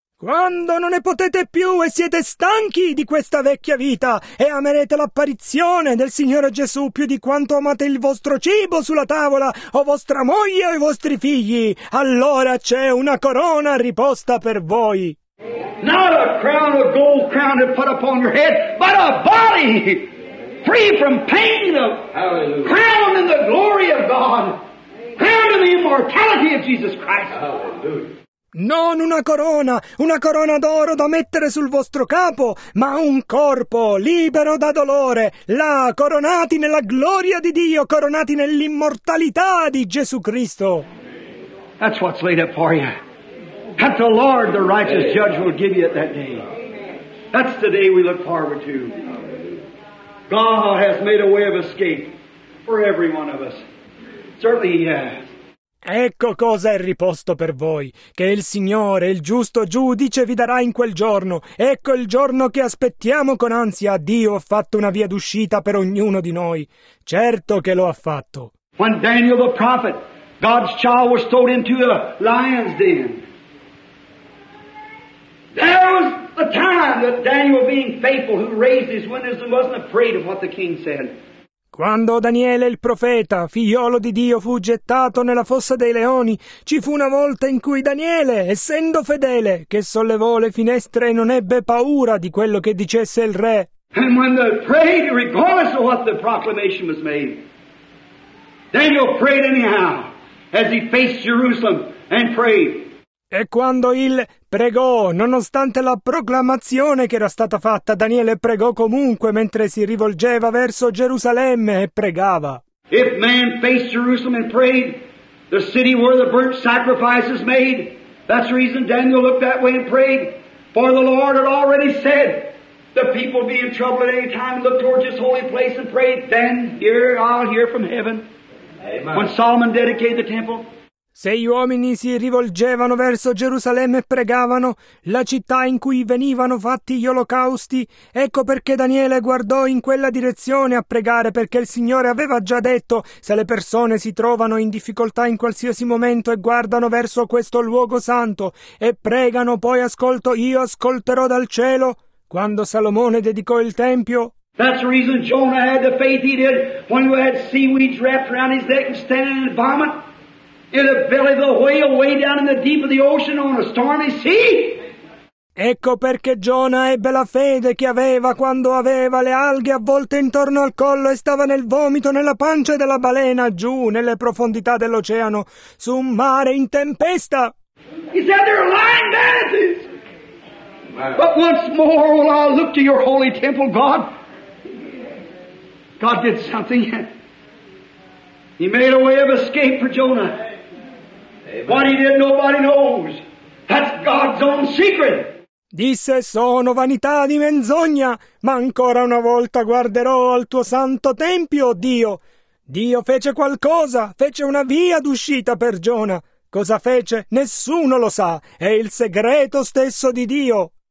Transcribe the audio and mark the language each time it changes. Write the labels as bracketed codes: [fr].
[it] Quando non ne potete più e siete stanchi di questa vecchia vita e amerete l'apparizione del Signore Gesù più di quanto amate il vostro cibo sulla tavola o vostra moglie o i vostri figli, allora c'è una corona riposta per voi. [en] Not a crown of gold crowned put upon your head, but a body free from pain, of crowned in the glory of God, crowned in the immortality of Jesus Christ. Hallelujah. [it] Non una corona d'oro da mettere sul vostro capo, ma un corpo libero da dolore, là coronati nella gloria di Dio, coronati nell'immortalità di Gesù Cristo. [en] That's what's laid up for you. That's the Lord, the righteous judge, will give you at that day. That's the day we look forward to. God has made a way of escape for every one of us. Certainly He has. [it] Ecco cosa è riposto per voi, che il Signore, il giusto giudice, vi darà in quel giorno. Ecco il giorno che aspettiamo con ansia. Dio ha fatto una via d'uscita per ognuno di noi. Certo che lo ha fatto. [en] When Daniel the prophet, God's child, was thrown into the lion's den, there was the time that Daniel, being faithful, who raised his windows and wasn't afraid of what the king said. [it] Quando Daniele il profeta, figliolo di Dio, fu gettato nella fossa dei leoni, ci fu una volta in cui Daniele, essendo fedele, che sollevò le finestre e non ebbe paura di quello che dicesse il re. [en] And when they prayed, regardless of what the proclamation was made, Daniel prayed anyhow, as he faced Jerusalem and prayed. [it] E quando il pregò, nonostante la proclamazione che era stata fatta, Daniele pregò comunque mentre si rivolgeva verso Gerusalemme e pregava. [en] If man faced Jerusalem and prayed, the city where the burnt sacrifice is made, that's the reason Daniel looked that way and prayed. For the Lord had already said, the people be in trouble at any time and look towards his holy place and pray, then hear, I'll hear from heaven. Amen. When Solomon dedicated the temple. [it] Se gli uomini si rivolgevano verso Gerusalemme e pregavano, la città in cui venivano fatti gli olocausti, ecco perché Daniele guardò in quella direzione a pregare, perché il Signore aveva già detto, se le persone si trovano in difficoltà in qualsiasi momento e guardano verso questo luogo santo e pregano, poi ascolto, io ascolterò dal cielo, quando Salomone dedicò il Tempio. [en] That's the reason Jonah had the faith he did when he had seaweeds wrapped around his neck and standing in vomit. In the belly of the whale, way down in the deep of the ocean on a stormy sea. [it] Ecco perché Giona ebbe la fede che aveva quando aveva le alghe avvolte intorno al collo e stava nel vomito nella pancia della balena giù nelle profondità dell'oceano su un mare in tempesta. [en] He said there are lying masses. But once more will I look to your holy temple, God. God did something. He made a way of escape for Jonah. What he did, nobody knows. That's God's own secret. [it] Disse, sono vanità di menzogna, ma ancora una volta guarderò al tuo santo tempio, Dio. Dio fece qualcosa, fece una via d'uscita per Giona. Cosa fece? Nessuno lo sa. È il segreto stesso di Dio.